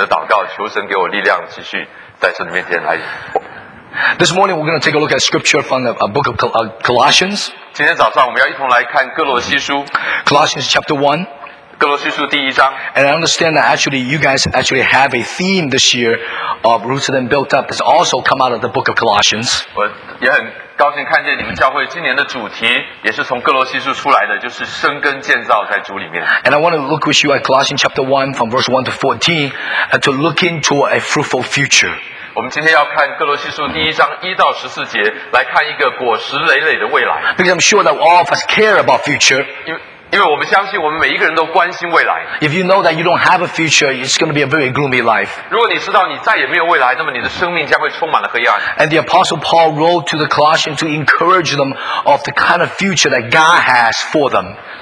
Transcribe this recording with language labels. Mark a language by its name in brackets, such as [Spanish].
[Chinese] 礼拜五中午开始，不知道为什么声音就开始越来越沙哑。谢谢你们的祷告，求神给我力量，继续在神的面前来。 [English] This morning we're going to take a look at scripture from the book of Colossians. [Chinese] 今天早上我们要一同来看哥罗西书。 [English] Colossians chapter 1. [Chinese] 哥罗西书第一章。 [English] And I understand that actually you guys actually have a theme this year of rooted and built up that's also come out of the book of Colossians. [Chinese] 我也很高兴看见你们教会今年的主题也是从哥罗西书出来的，就是生根建造在主里面。 [English] And I want to look with you at Colossians chapter 1 from verse 1 to 14 and to look into a fruitful future. [Chinese] 我们今天要看哥罗西书第一章一到十四节，来看一个果实累累的未来。 [English] Because I'm sure that all of us care about future. [Chinese] 因为我们相信我们每一个人都关心未来。 [English] If you know that you don't have a future, it's going to be a very gloomy life. [Chinese] 如果你知道你再也没有未来，那么你的生命将会充满了黑暗。 [English] And the Apostle Paul wrote to the Colossians to encourage them of the kind of future that God has for them.